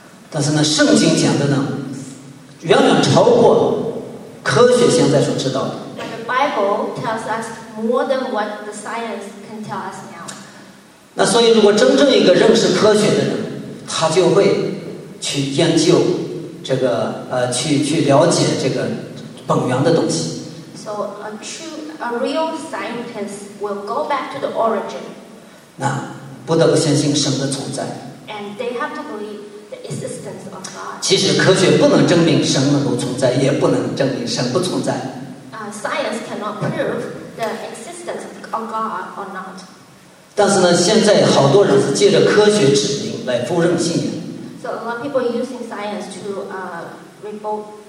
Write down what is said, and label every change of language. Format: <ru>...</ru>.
<zh>但是呢，圣经讲的呢，远远超过科学现在所知道的。</zh> <en>But the Bible tells us more than what the science can tell us now.</en> <zh>那所以，如果真正一个认识科学的人，他就会去研究这个去了解这个本源的东西。</zh> <en>So a real scientist will go back to the origin.</en> <zh>那不得不相信神的存在。</zh> <en>And they have to believe the existence of God.</en> <zh>其实科学不能证明神能够存在，也不能证明神不存在。</zh> <en>Science cannot prove the existence of God or not.</en> <zh>但是呢，现在好多人是借着科学指引来否认信仰。</zh> <en>So a lot of people are using science to revolt.</en>